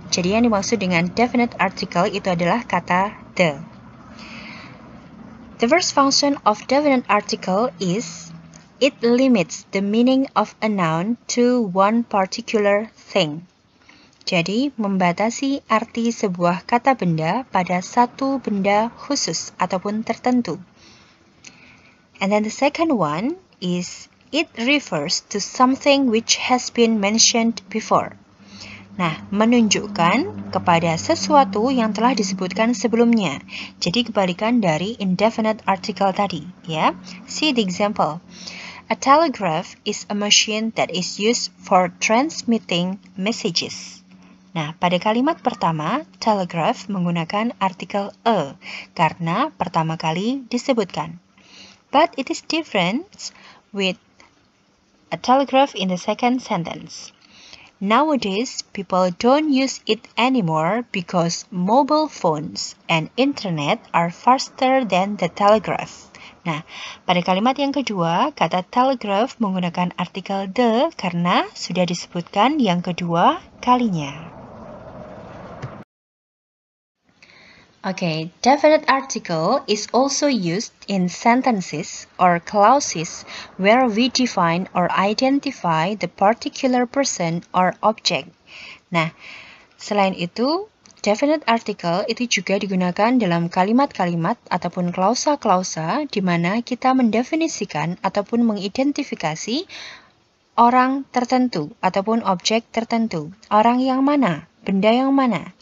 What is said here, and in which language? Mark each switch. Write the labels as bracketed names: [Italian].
[Indonesian] Jadi yang dimaksud dengan definite article itu adalah kata the. [English] The first function of definite article is it limits the meaning of a noun to one particular thing. [Indonesian] Jadi, membatasi arti sebuah kata benda pada satu benda khusus ataupun tertentu. [English] And then the second one is it refers to something which has been mentioned before. [Indonesian] Nah, menunjukkan kepada sesuatu yang telah disebutkan sebelumnya. Jadi, kebalikan dari indefinite article tadi. Ya. [English] See the example. A telegraph is a machine that is used for transmitting messages. [Indonesian] Nah, pada kalimat pertama, telegraph menggunakan artikel a karena pertama kali disebutkan. [English] But it is different with a telegraph in the second sentence. Nowadays, people don't use it anymore because mobile phones and internet are faster than the telegraph. [Indonesian] Nah, pada kalimat yang kedua, kata telegraph menggunakan artikel the karena sudah disebutkan yang kedua kalinya. [English] Okay, definite article is also used in sentences or clauses where we define or identify the particular person or object. [Indonesian] Nah, selain itu, definite article itu juga digunakan dalam kalimat-kalimat ataupun klausa-klausa di mana kita mendefinisikan ataupun mengidentifikasi orang tertentu ataupun objek tertentu. Orang yang mana? Benda yang mana?